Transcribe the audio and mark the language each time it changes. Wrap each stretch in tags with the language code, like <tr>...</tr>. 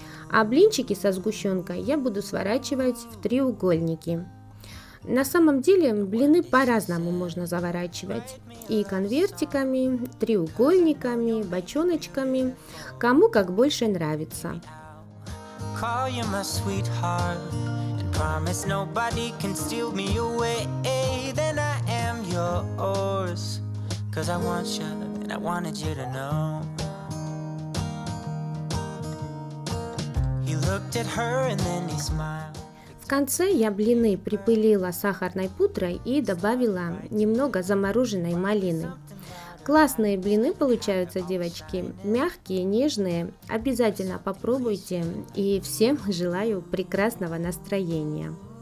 <ru>А блинчики со сгущенкой я буду сворачивать в треугольники. На самом деле блины по-разному можно заворачивать, и конвертиками, треугольниками, бочоночками, кому как больше нравится.</ru> <en>Call you my sweetheart and promise nobody can steal me away. Then I am yours, 'cause I want you and I wanted you to know. He looked at her and then he smiled.</en> <ru>В конце я блины припылила сахарной пудрой и добавила немного замороженной малины. Классные блины получаются, девочки, мягкие, нежные, обязательно попробуйте, и всем желаю прекрасного настроения.</ru>